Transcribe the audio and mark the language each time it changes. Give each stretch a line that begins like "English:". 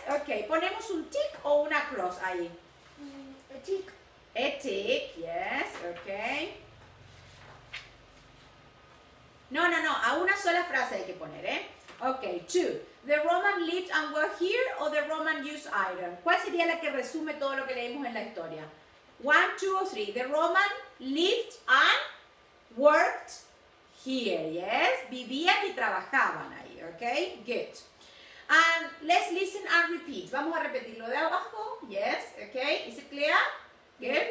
Spanish: Ok, ponemos un tick o una cross ahí.
English: A tick. A tick, yes, ok.
Spanish: No, no, no, a una sola frase hay que poner, ¿eh?
English: Ok, two. The Roman lived and were here or the Roman used iron?
Spanish: ¿Cuál sería la que resume todo lo que leímos en la historia?
English: One, two, or three. The Roman lived and worked here, yes?
Spanish: Vivían y trabajaban ahí,
English: okay? Good. And let's listen and repeat.
Spanish: Vamos a repetirlo de abajo,
English: yes? Okay, is it clear? Good, yes.